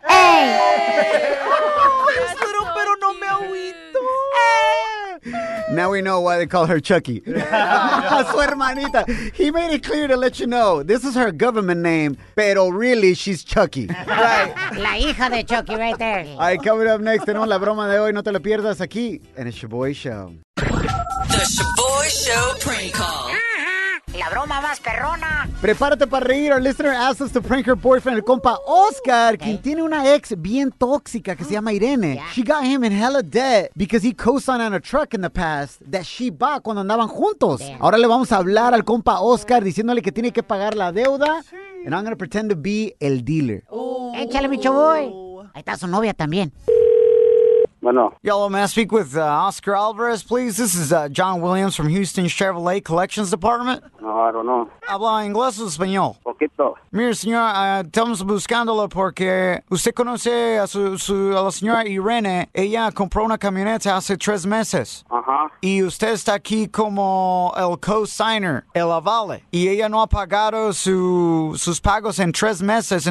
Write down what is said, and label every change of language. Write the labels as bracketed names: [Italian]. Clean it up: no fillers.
[English] Hey! Hey. Oh, little, so pero cute. [Spanish] No me agüito. [English] Hey. Now we know why they call her Chucky. Yeah. [Spanish] Su hermanita. [English] He made it clear to let you know this is her government name, pero really she's Chucky. [Spanish] Right. La hija de Chucky [English] right there. All right, coming up next, [Spanish] tenemos la broma de hoy. No te la pierdas aquí en el Shaboy Show. [English] The Shaboy Show prank call. [Spanish] La broma más perrona. Prepárate para reír. [English] Our listener asked us to prank her boyfriend, [Spanish] el compa Oscar, okay, quien tiene una ex bien tóxica que se llama Irene. Yeah. [English] She got him in hella debt because he co-signed on a truck in the past that she bought cuando andaban juntos. Damn. [Spanish] Ahora le vamos a hablar al compa Oscar diciéndole que tiene que pagar la deuda. Sí. [English] And I'm going to pretend to be el dealer. [Spanish] Ooh. Échale, mi chavoy. Ahí está su novia también. Bueno. [English] Yo, may I speak with Oscar Alvarez, please? This is John Williams from Houston's Chevrolet Collections Department. No, I don't know. [Spanish] ¿Habla inglés o español? Poquito. Mire, señor, estamos buscándolo porque usted conoce a a la señora Irene. Ella compró una camioneta hace 3 meses. Ajá. Y usted está aquí como el co-signer, el avale. Y ella no ha pagado sus pagos en 3 meses.